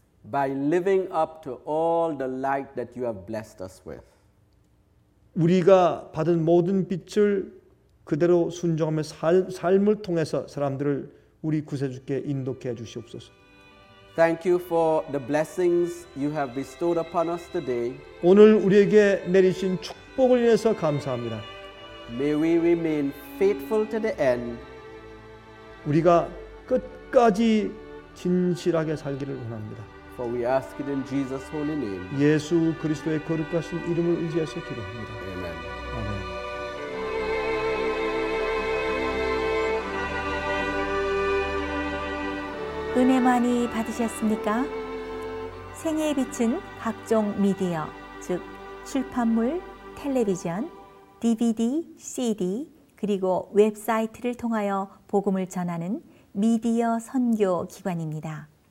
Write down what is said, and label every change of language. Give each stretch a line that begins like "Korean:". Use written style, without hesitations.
English: By living up to all the light that you have blessed us with.
Korean: 우리가 받은 모든 빛을 그대로 순종하며 삶을 통해서 사람들을 우리 구세주께 인도케 해 주시옵소서.
English: Thank you for the blessings you have bestowed upon us today.
Korean: 오늘 우리에게 내리신 축복을 위해서 감사합니다.
English: May we remain faithful to the end.
Korean: 우리가 끝까지 진실하게 살기를 원합니다.
English: For we ask it in Jesus' holy name.
Korean: 예수 그리스도의 거룩하신 이름을 의지해서 기도합니다.
English: Amen. Amen.
Korean: 은혜 많이 받으셨습니까? 생애의 빛은 각종 미디어, 즉 출판물, 텔레비전, DVD, CD 그리고 웹사이트를 통하여 복음을 전하는 미디어 선교 기관입니다.